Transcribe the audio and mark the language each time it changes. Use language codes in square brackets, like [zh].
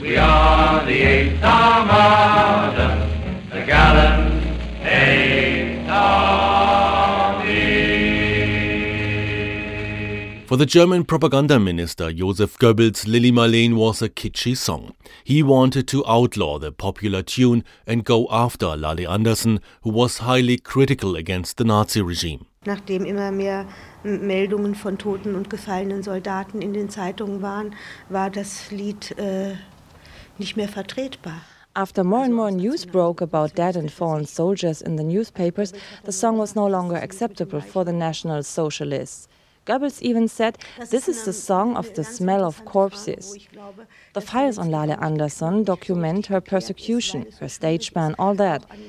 [en] We are the Eighth Armada, the gallant Eighth Army. For the German propaganda minister Joseph Goebbels, Lili Marleen was a kitschy song. He wanted to outlaw the popular tune and go after Lali Andersen, who was highly critical against the Nazi regime. [de] Nachdem immer mehr Meldungen von toten und gefallenen Soldaten in den Zeitungen waren, war das Lied nicht mehr vertretbar. [en] After more and more news broke about dead and fallen soldiers in the newspapers, the song was no longer acceptable for the National Socialists. Goebbels even said, this is the song of the smell of corpses. The files on Lali Andersen document her persecution, her stage ban, all that.